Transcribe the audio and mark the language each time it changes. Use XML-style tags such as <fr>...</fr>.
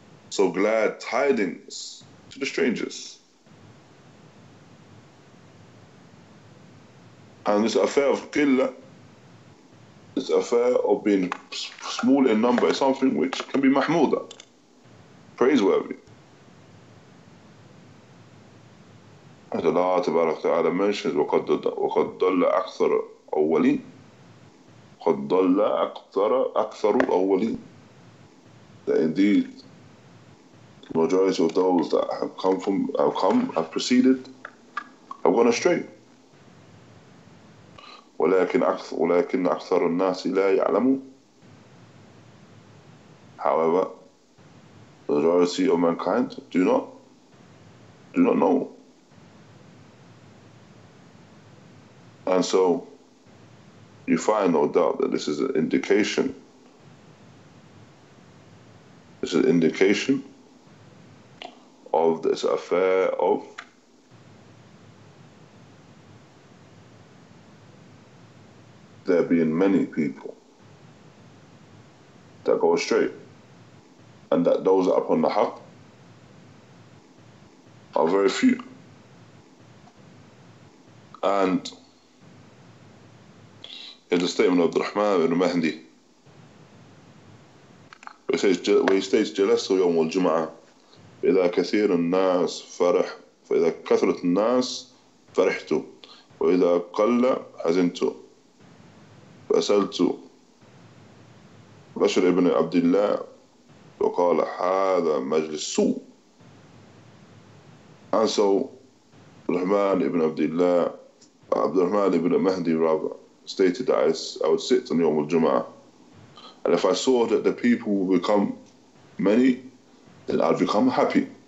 <en>So glad tidings to the strangers. And this affair of qilla, this affair of being small in number, is something which can be mahmuda, praiseworthy. As Allah tabarak ta'ala mentions,</en> <ar>وَقَدْ ضَلَّ أَكْثَرَ أولين قد ضل أكثر الأولين.</ar> <en>That indeed the majority of those that have proceeded have gone astray.</en> <ar>ولكن أكثر الناس لا يعلمون.</ar> <en>However, the majority of mankind do not know. And so you find no doubt that this is an indication. This is an indication of this affair of there being many people that go astray, and that those upon the haqq are very few. And in the statement of Rahmah ibn Mahdi, where he states,</en> <ar>جَلَسُوا يَوْمُ الْجُمْعَةِ إِذَا كَثِيرُ النَّاسِ فَرِحُ فَإِذَا كَثْرَتُ النَّاسِ فَرِحْتُ وَإِذَا قَلَّ حَزِنْتُ فَأَسَلْتُ بشر ابن عبد الله وقال هذا مجلس سوء.</ar> <en>And so Rahman ibn Abdullah, Abdurrahman ibn Mahdi rather, stated that I would sit on Yawm al-Jum'ah, and if I saw that the people would become many, then I'd become happy.</en>